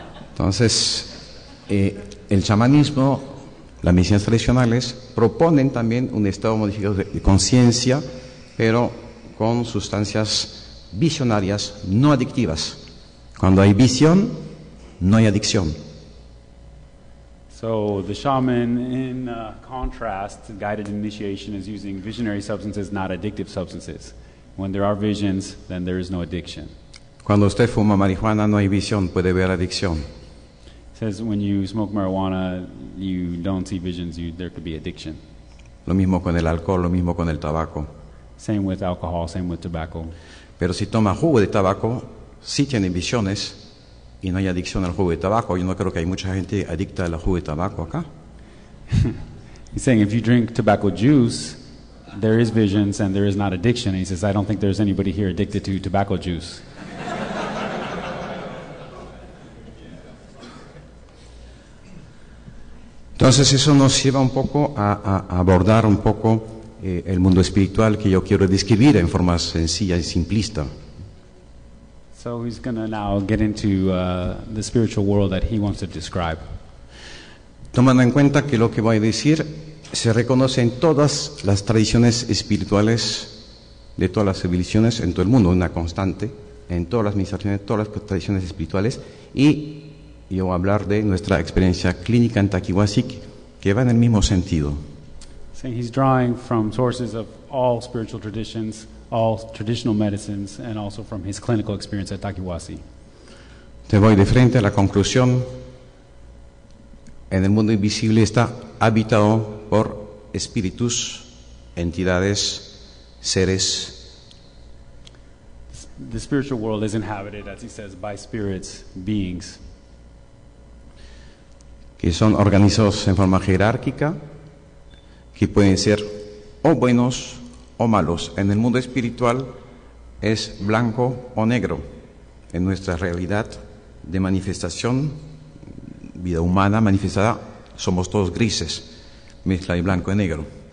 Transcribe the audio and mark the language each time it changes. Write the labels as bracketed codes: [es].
[es] Entonces, el chamanismo, las medicinas tradicionales proponen también un estado modificado de conciencia, pero con sustancias visionarias no adictivas. Cuando hay visión, no hay adicción. [en] So the shaman, in contrast, guided initiation is using visionary substances, not addictive substances. When there are visions, then there is no addiction. [es] Cuando usted fuma marihuana, no hay visión, puede haber adicción. [en] Says when you smoke marijuana, you don't see visions, there could be addiction. [es] Lo mismo con el alcohol, lo mismo con el tabaco. [en] Same with alcohol, same with tobacco. [es] Pero si toma jugo de tabaco, sí tiene visiones y no hay adicción al jugo de tabaco. Yo no creo que hay mucha gente adicta al jugo de tabaco acá. [en] He's saying if you drink tobacco juice, there is visions and there is not addiction. And he says, I don't think there's anybody here addicted to tobacco juice. [es] Entonces eso nos lleva un poco a abordar un poco el mundo espiritual que yo quiero describir en forma sencilla y simplista. [en] So he's going to now get into the spiritual world that he wants to describe. [es] Tomando en cuenta que lo que voy a decir se reconoce en todas las tradiciones espirituales de todas las civilizaciones en todo el mundo, una constante en todas las administraciones, todas las tradiciones espirituales, y yo voy a hablar de nuestra experiencia clínica en Takiwasik, que va en el mismo sentido. [en] Saying he's drawing from sources of all spiritual traditions, all traditional medicines, and also from his clinical experience at Takiwasi. [es] Te voy de frente a la conclusión. En el mundo invisible está habitado por espíritus, entidades, seres. [en] The spiritual world is inhabited, as he says, by spirits, beings. [es] Que son organizados en forma jerárquica, que pueden ser o buenos o malos. En el mundo espiritual es blanco o negro. En nuestra realidad de manifestación, vida humana manifestada, somos todos grises, mezcla de blanco y negro.